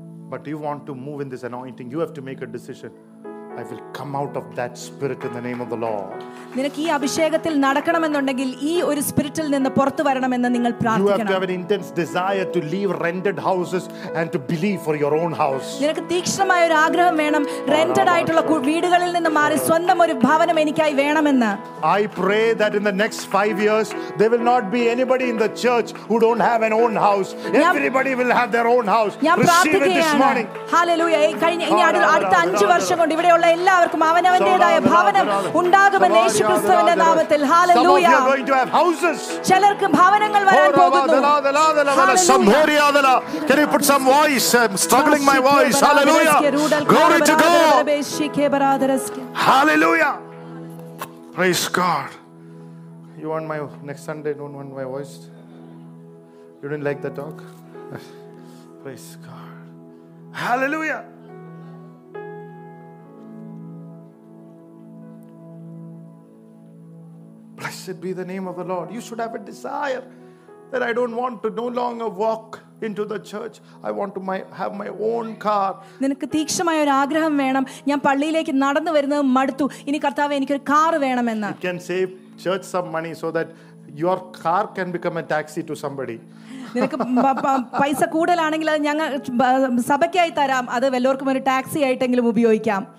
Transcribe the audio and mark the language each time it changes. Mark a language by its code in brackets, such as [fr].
[en] But you want to move in this anointing, you have to make a decision. I will come out of that spirit in the name of the Lord. [ml] നിനക്ക് ഈ അഭിഷേകത്തിൽ നടക്കണം എന്നുണ്ടെങ്കിൽ ഈ ഒരു സ്പിരിറ്റിൽ നിന്ന് പുറത്തു വരണം എന്ന് നിങ്ങൾ പ്രാർത്ഥിക്കണം. [en] You have to have an intense desire to leave rented houses and to believe for your own house. [ml] നിനക്ക് തീക്ഷ്ണമായ ഒരു ആഗ്രഹം വേണം rented ആയിട്ടുള്ള വീടുകളിൽ നിന്ന് മാറി സ്വന്തം ഒരു ഭവനം എനിക്കായി വേണമെന്ന്. [en] I pray that in the next 5 years there will not be anybody in the church who don't have an own house. Everybody will have their own house. [ml] ഞാൻ പ്രാർത്ഥിക്കുകയാണ്. Hallelujah. ഈ കഴിഞ്ഞ ഇനി അടുത്ത 5 വർഷം കൊണ്ട് ഇവിടെയുള്ള എല്ലാവർക്കും അവനവന്റേതായ ഭവനം ഉണ്ടാകുമെന്ന് യേശുക്രിസ്തുവിന്റെ നാമത്തിൽ ഹല്ലേലൂയ. ചിലർക്ക് ഭവനങ്ങൾ വരാൻ പോകുന്നു. [en] Hallelujah. സംഹോരിയാദല. Can you put some voice? I'm struggling my voice. Hallelujah. Glory to God. Hallelujah. Praise God. You want my next Sunday? Don't want my voice? You didn't like the talk? Praise God. Hallelujah. Blessed be the name of the Lord. You should have a desire that I don't want to no longer walk into the church. I want to have my own car. [ml] നിനക്ക് തീക്ഷ്ണമായ ഒരു ആഗ്രഹം വേണം. ഞാൻ പള്ളിയിലേക്ക് നടന്നു വരുന്നത് മടുത്തു. ഇനി കർത്താവെ എനിക്ക് ഒരു കാർ വേണം എന്ന്. [en] You can save church some money so that your car can become a taxi to somebody. [ml] നിനക്ക് പൈസ കൂടുതലാണെങ്കിൽ അത് ഞങ്ങൾ സഭയ്ക്കായി തരാം. അത് വല്ലവർക്കും ഒരു ടാക്സി ആയിട്ടെങ്കിലും ഉപയോഗിക്കാം.